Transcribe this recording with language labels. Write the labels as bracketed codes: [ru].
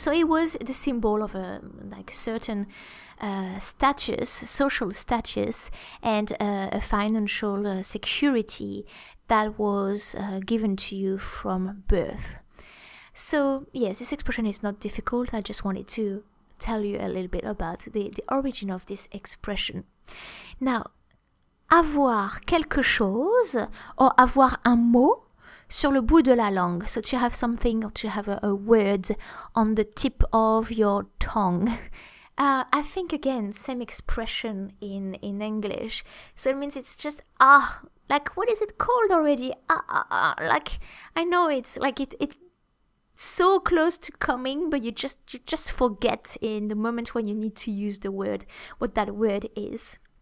[en] So it was the symbol of a like certain status, social status, and a financial security that was given to you from birth. So yes, this expression is not difficult. I just wanted to tell you a little bit about the origin of this expression. [fr] Now, avoir quelque chose, or avoir un mot sur le bout de la langue. [en] So to have something, or to have a word on the tip of your tongue. I think again, same expression in English. So it means it's just like what is it called already? Like I know it's like it. So close to coming, but you just forget in the moment when you need to use the word, what that word is.